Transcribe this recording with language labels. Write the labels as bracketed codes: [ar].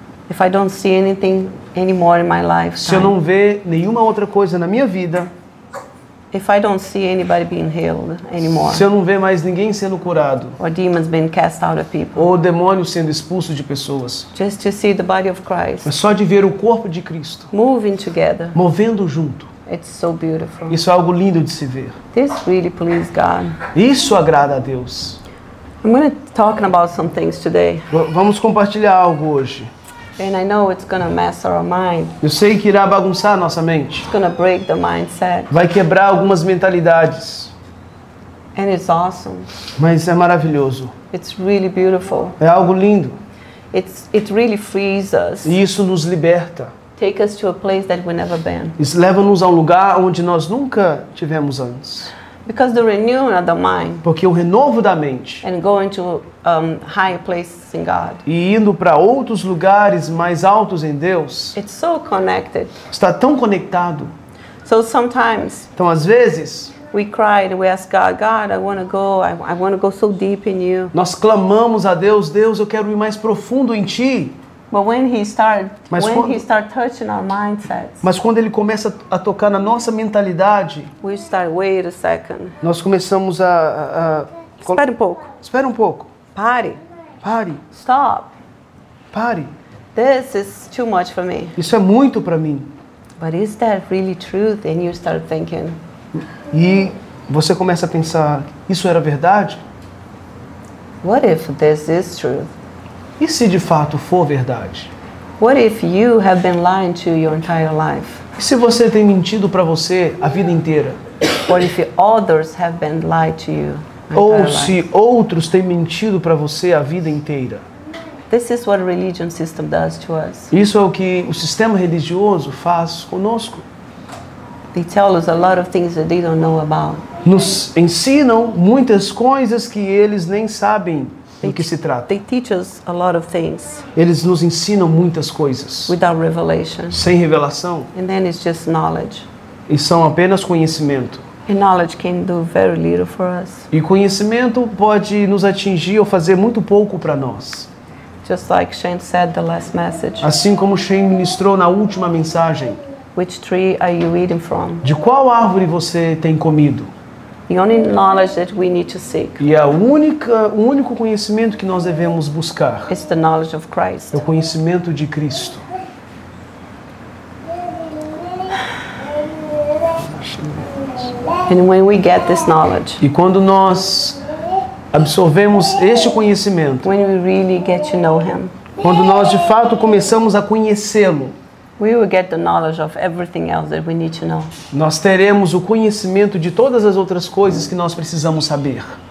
[en] If I don't see anything anymore in my life. [pt] Se eu não ver nenhuma outra coisa na minha vida. [en] If I don't see anybody being healed anymore. [pt] Se eu não ver mais ninguém sendo curado. [en] Or demons being cast out of people. [pt] Ou demônios sendo expulsos de pessoas. [en] Just to see the body of Christ. [pt] Só de ver o corpo de Cristo. [en] Moving together. [pt] Movendo junto. [en] It's so beautiful. [pt] Isso é algo lindo de se ver. [en] This really pleases God. [pt] Isso agrada a Deus. [en] I'm going to talk about some things today. [pt] Vamos compartilhar algo hoje. [en] And I know it's gonna mess our mind. [pt] Eu sei que irá bagunçar nossa mente. [en] It's gonna break the mindset. [pt] Vai quebrar algumas mentalidades. [en] And it's awesome. [pt] Mas é maravilhoso. [en] It's really beautiful. [pt] É algo lindo. [en] It really frees us. [pt] E isso nos liberta. [en] Take us to a place that we never been. [pt] Isso leva-nos a lugar onde nós nunca tivemos antes. [en] Because the renewing of the mind. [pt] Porque o renovo da mente. [en] And going to higher places in God. [pt] E indo para outros lugares mais altos em Deus. [en] It's so connected. [pt] Está tão conectado. [en] So sometimes. [pt] Então às vezes. [en] We cry and we ask God, God, I want to go. I want to go so deep in you. [pt] Nós clamamos a Deus, Deus, eu quero ir mais profundo em ti. [en] But when he started, touching our mindsets. [pt] Mas quando ele começa a tocar na nossa mentalidade. [en] We start, wait a second. [pt] Nós começamos a espera um pouco. Espera um pouco. Pare. Pare. [en] Stop. [pt] Pare. [en] This is too much for me. [pt] Isso é muito para mim. [en] But is that really truth? And you start thinking. [pt] E você começa a pensar, isso era verdade? [en] What if this is truth? [pt] E se de fato for verdade? [en] What if you have been lying to your entire life? [pt] E se você tem mentido para você a vida inteira? [en] What if others have been lying to you? [pt] Ou se outros têm mentido para você a vida inteira? [en] This is what religion system does to us. [pt] Isso é o que o sistema religioso faz conosco. [en] They tell us a lot of things that they don't know about. [pt] Nos ensinam muitas coisas que eles nem sabem. Do que se trata. [en] They teach us a lot of things. [pt] Eles nos ensinam muitas coisas. [en] Without revelation. [pt] Sem revelação. [en] And then it's just knowledge. [pt] E são apenas conhecimento. [en] And knowledge can do very little for us. [pt] E conhecimento pode nos atingir ou fazer muito pouco para nós. [en] Just like Shane said the last message. [pt] Assim como Shane ministrou na última mensagem. [en] Which tree are you eating from? [pt] De qual árvore você tem comido? [en] The only knowledge that we need to seek. [pt] E o único conhecimento que nós devemos buscar. [en] Is the knowledge of Christ. [pt] É o conhecimento de Cristo. [en] And when we get this knowledge. [pt] E quando nós absorvemos este conhecimento. [en] When we really get to know him. [pt] Quando nós de fato começamos a conhecê-lo. [en] We will get the knowledge of everything else that we need to know. [pt] Nós teremos o conhecimento de todas as outras coisas que nós precisamos saber.